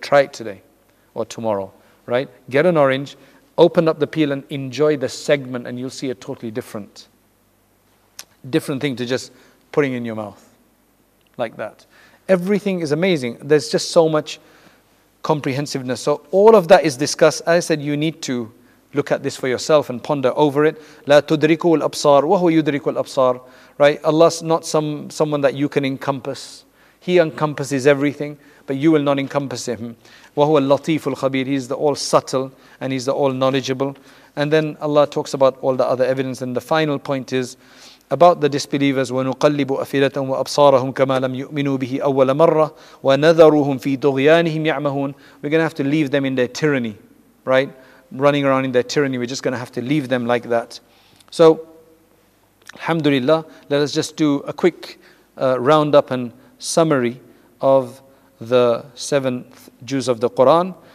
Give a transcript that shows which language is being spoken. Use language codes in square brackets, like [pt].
[en] Try it today or tomorrow, right? Get an orange, open up the peel and enjoy the segment, and you'll see a totally different thing to just putting in your mouth like that. Everything is amazing. There's just so much comprehensiveness. So all of that is discussed. As I said, you need to look at this for yourself and ponder over it. [ar] لا تدركوا الأبصار وهو يدرك الأبصار. [en] Right? Allah's not someone that you can encompass. He encompasses everything, but you will not encompass him. [ar] وهو اللطيف الخبير. [en] He's the all subtle and he's the all knowledgeable. And then Allah talks about all the other evidence. And the final point is about the disbelievers. [ar] ونقلب أفئدتهم وأبصارهم كما لم يؤمنوا به أول مرة ونذرهم في طغيانهم يعمهون. [en] We're going to have to leave them in their tyranny, right? Running around in their tyranny, we're just going to have to leave them like that. So, alhamdulillah, let us just do a quick roundup and summary of the seven juz of the Quran.